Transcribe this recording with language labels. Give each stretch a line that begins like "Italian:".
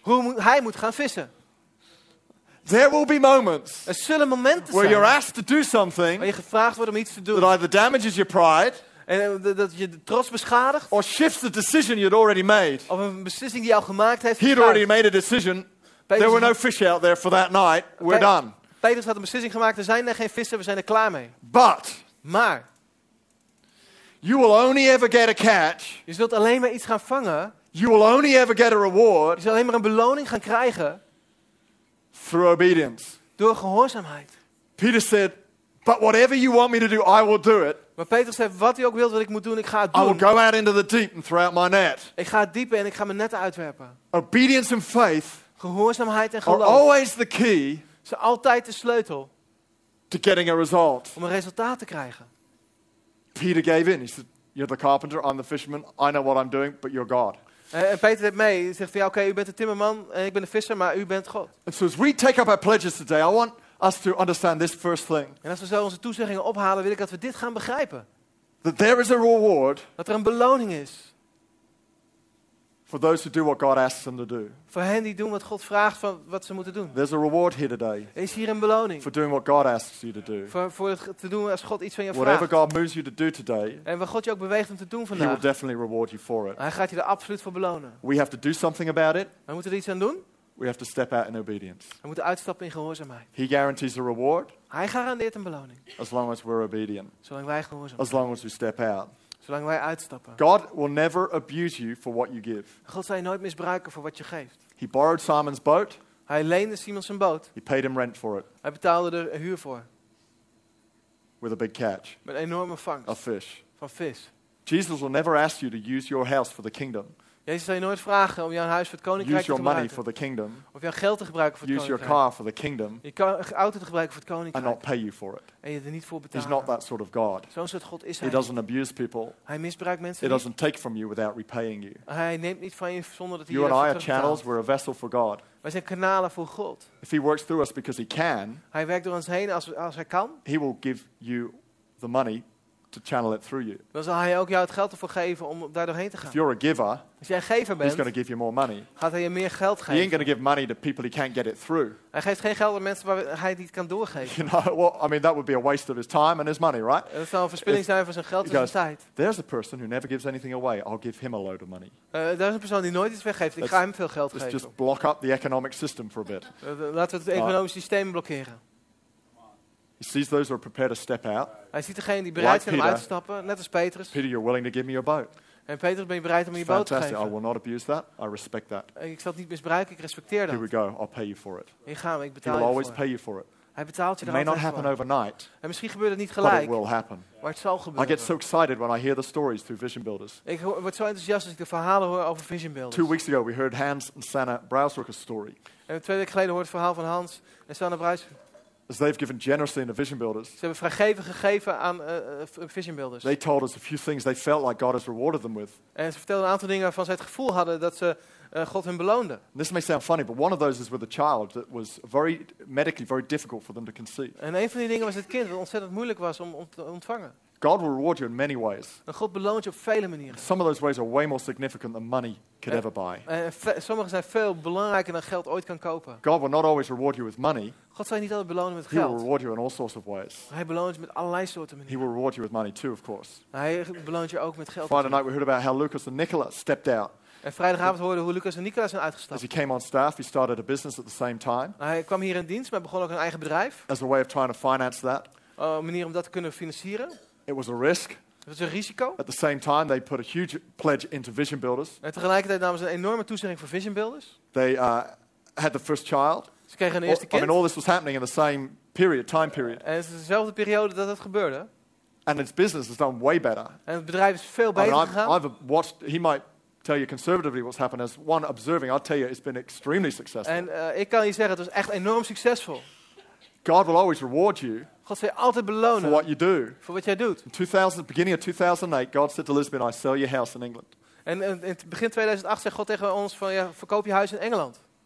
Dutch: Hoe hij moet gaan vissen.
English: There will be moments.
Dutch: Er zullen momenten zijn.
English: Where you're asked to do something.
Dutch: Waar je gevraagd wordt om iets te doen.
English: That either damages your pride.
Dutch: En dat je de trots beschadigt.
English: Or shifts the decision you'd already made.
Dutch: Of een beslissing die je al gemaakt hebt.
English: He'd already made a decision. There were no fish out there for that night. We're done.
Dutch: Petrus had een beslissing gemaakt. Er zijn er geen vissen. We zijn er klaar mee.
English: But.
Dutch: Maar.
English: You will only ever get a catch.
Dutch: Je zult alleen maar iets gaan vangen.
English: You will only ever get a reward.
Dutch: Je zult alleen maar een beloning gaan krijgen.
English: Through obedience.
Dutch: Door gehoorzaamheid.
English: Peter said, but whatever you want me to do, I will do it.
Dutch: Maar Petrus zei, wat hij ook wilt, wat ik moet doen, ik ga het doen.
English: I will go out into the deep and throw out my net.
Dutch: Ik ga het diepe en ik ga mijn netten uitwerpen.
English: Obedience and faith.
Dutch: Gehoorzaamheid en geloof.
English: Are always the key.
Dutch: is altijd de sleutel
English: to getting a result.
Dutch: Om een resultaat te krijgen.
English: Peter gave in. He said, "You're the carpenter, I'm the fisherman. I know what I'm doing, but you're God."
Dutch: En Peter deed mee. Hij zegt van ja, oké, u bent de timmerman en ik ben de visser, maar u bent God.
English: And so as we take up our pledges today, I want us to understand this first thing.
Dutch: En als we zo onze toezeggingen ophalen, wil ik dat we dit gaan begrijpen.
English: That there is a reward.
Dutch: Dat er een beloning is.
English: For those who do what God asks them to do.
Dutch: Voor hen die doen wat God vraagt van wat ze moeten doen.
English: There's a reward here today.
Dutch: Is hier een beloning.
English: For doing what God asks you to do.
Dutch: Voor het te doen als God iets van je vraagt.
English: Whatever God moves you to do today.
Dutch: En wat God je ook beweegt om te doen vandaag.
English: He will definitely reward you for it.
Dutch: Hij gaat je er absoluut voor belonen.
English: We have to do something about it.
Dutch: We moeten er iets aan doen.
English: We have to step out in obedience.
Dutch: We moeten uitstappen in gehoorzaamheid.
English: He guarantees a reward.
Dutch: Hij garandeert een beloning.
English: As long as we're obedient.
Dutch: Zolang wij gehoorzaam.
English: As long as we step out.
Dutch: Zolang wij uitstappen.
English: God will never abuse you for what you give.
Dutch: God zal je nooit misbruiken voor wat je geeft.
English: He borrowed Simon's boat.
Dutch: Hij leende Simon zijn boot.
English: He paid him rent for it.
Dutch: Hij betaalde er huur voor.
English: With a big catch.
Dutch: Met een enorme vangst.
English: Of fish.
Dutch: Van vis.
English: Jesus will never ask you to use your house for the kingdom.
Dutch: Jezus zal je nooit vragen om jouw huis voor het koninkrijk
English: use your
Dutch: te gebruiken.
English: Money for the kingdom.
Dutch: Of jouw geld te gebruiken voor het
English: use
Dutch: koninkrijk.
English: Your car for the kingdom.
Dutch: Je auto te gebruiken voor het koninkrijk.
English: And not pay you for it.
Dutch: En je er niet voor betalen.
English: He's not that sort of God.
Dutch: Zo'n soort God is hij.
English: He doesn't abuse people.
Dutch: Hij misbruikt mensen.
English: He doesn't take from you without repaying you.
Dutch: Hij neemt niet van je zonder dat hij
English: you
Dutch: je
English: and I are channels. We're a vessel for God.
Dutch: Wij zijn kanalen voor God.
English: If he works through us because he can.
Dutch: Hij werkt door ons heen als hij kan.
English: He will give you the money to channel it through you.
Dutch: Dan zal hij ook jou het geld ervoor geven om daar doorheen te gaan.
English: If you're a giver,
Dutch: als jij een gever bent,
English: he's going to give you more money.
Dutch: Gaat hij je meer geld geven?
English: He ain't going to give money to people he can't get it through.
Dutch: Hij geeft geen geld aan mensen waar hij niet kan doorgeven.
English: You know, well, I mean, that would be a waste of his time and his money, right?
Dutch: Dat zou een verspilling zijn van zijn geld en zijn tijd.
English: There's a person who never gives anything away. I'll give him a load of money.
Dutch: Daar is een persoon die nooit iets weggeeft. Ik ga hem veel geld geven.
English: Just block up the economic system for a bit.
Dutch: Laten we het economische systeem blokkeren.
English: He sees those who are prepared to step out.
Dutch: Hij ziet degene die bereid zijn om uit te stappen, net als Petrus.
English: Peter, you're willing to give me your boat.
Dutch: En Petrus, ben je bereid om je boot te geven?
English: I will not abuse that. I respect that.
Dutch: Ik zal het niet misbruiken. Ik respecteer dat.
English: Here we go. I'll pay you for it.
Dutch: Hier gaan we. Ik betaal
English: He will always
Dutch: voor.
English: Pay you for it.
Dutch: Hij betaalt je
English: It may not happen
Dutch: voor.
English: Overnight.
Dutch: En misschien gebeurt het niet gelijk.
English: But it will happen.
Dutch: Maar het zal gebeuren.
English: I get so excited when I hear the stories through Vision Builders.
Dutch: Ik word zo enthousiast als ik de verhalen hoor over Vision Builders.
English: 2 weeks ago, we heard Hans and Sanna Brausrucker's story.
Dutch: En 2 weken geleden hoorde het verhaal van Hans en Sanna Brausrucker.
English: As they've given generously in the Vision Builders.
Dutch: Ze hebben vrijgevig gegeven aan Vision Builders.
English: They told us a few things they felt like God has rewarded them with.
Dutch: En ze vertelden een aantal dingen waarvan ze het gevoel hadden dat ze God hun beloonde.
English: And this may sound funny, but one of those is with a child that was very medically very difficult for them to conceive.
Dutch: En een van die dingen was het kind dat ontzettend moeilijk was om te ontvangen.
English: God will reward you in many ways.
Dutch: En God beloont je op vele manieren.
English: Some of those ways are way more significant than money could ever buy.
Dutch: Sommige zijn veel belangrijker dan geld ooit kan kopen.
English: God will not always reward you with money.
Dutch: God zal je niet altijd belonen met geld.
English: He will reward you in all sorts of ways.
Dutch: Hij beloont je met allerlei soorten manieren.
English: He will reward you with money too, of course.
Dutch: Hij beloont je ook met geld.
English: Friday night we heard about how Lucas and Nicholas stepped out.
Dutch: En vrijdagavond hoorden we hoe Lucas en Nicolas zijn uitgestapt.
English: As he came on staff, he started a business at the same time.
Dutch: Hij kwam hier in dienst, maar begon ook een eigen bedrijf.
English: As a way of trying to finance that.
Dutch: Een manier om dat te kunnen financieren.
English: It was a risk.
Dutch: Het was een risico.
English: At the same time, they put a huge pledge into Vision Builders.
Dutch: En tegelijkertijd namen ze een enorme toezegging voor Vision Builders.
English: They had the first child.
Dutch: Ze kregen een eerste kind.
English: I mean, all this was happening in the same period, time period.
Dutch: En het is dezelfde periode dat dat gebeurde.
English: And its business has done way better.
Dutch: En het bedrijf is veel beter gegaan.
English: I've watched. He might. Tell you conservatively what's happened as one observing. I'll tell you, it's been extremely successful.
Dutch: En ik kan je zeggen, het was echt enorm succesvol.
English: God will always reward you.
Dutch: God zal je altijd belonen.
English: For what you do.
Dutch: Voor wat jij doet.
English: In 2000, beginning of 2008, God said to Lisbon, "I sell your house in England."
Dutch: En in begin 2008 zegt God tegen ons van, ja, verkoop je huis in Engeland.